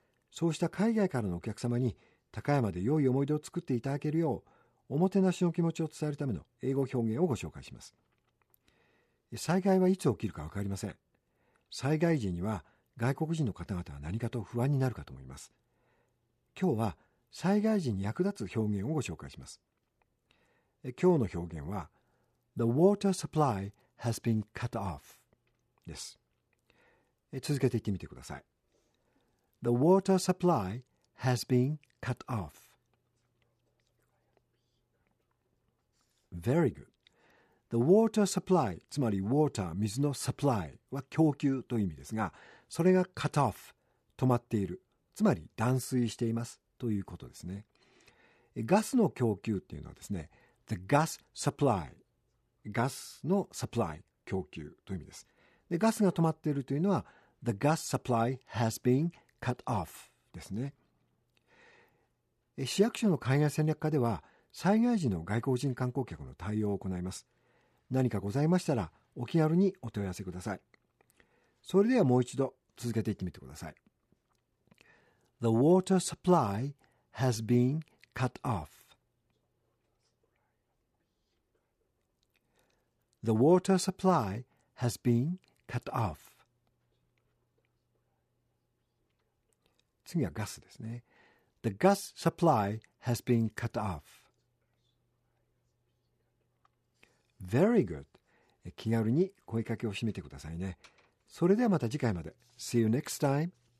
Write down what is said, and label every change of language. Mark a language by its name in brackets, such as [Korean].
[Japanese] そうした海外からのお客様に高山で良い思い出を作っていただけるよう、おもてなしの気持ちを伝えるための英語表現をご紹介します。災害はいつ起きるかわかりません。災害時には外国人の方々は何かと不安になるかと思います。今日は災害時に役立つ表現をご紹介します。今日の表現は [English] The water supply has been cut off [Japanese] です。続けて言ってみてください。 [English] The water supply has been cut off. Very good. The water supply、 [Japanese] つまり water、 水の supply は供給という意味ですが、それが cut off、 止まっている、つまり断水していますということですね。ガスの供給っていうのはですね、 [English] The gas supply、 [Japanese] ガスの supply、 供給という意味です。で、ガスが止まっているというのは [English] The gas supply has been cut off [Japanese] ですね。市役所の海外戦略課では災害時の外国人観光客の対応を行います。何かございましたらお気軽にお問い合わせください。それではもう一度続けていってみてください。 [English] The water supply has been cut off. The water supply has been cut off. [Japanese] 次はガスですね。 [English] The gas supply has been cut off. Very good. [Japanese] 気軽に声かけをしてみてくださいね。それではまた次回まで。 [English] See you next time.